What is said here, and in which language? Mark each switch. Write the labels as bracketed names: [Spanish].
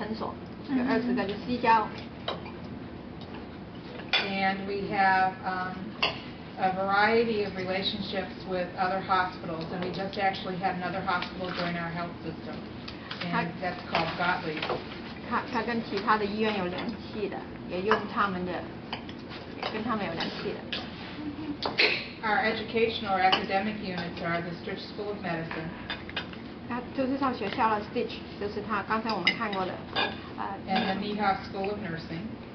[Chinese] 在西边有20个，就是刚才讲的，在医院外面的诊所，有20个就西郊。 [English] And we have a variety of relationships with other hospitals, and we just actually had another hospital join our health system, and that's called Gottlieb. [Chinese] 他跟其他的医院有联系的，也用他们的，跟他们有联系的。 [English] Our educational or academic units are the Stitch School of Medicine. [Chinese] 他就是上学校了，Stitch，就是他刚才我们看过的。 [English] And the Niehoff School of Nursing.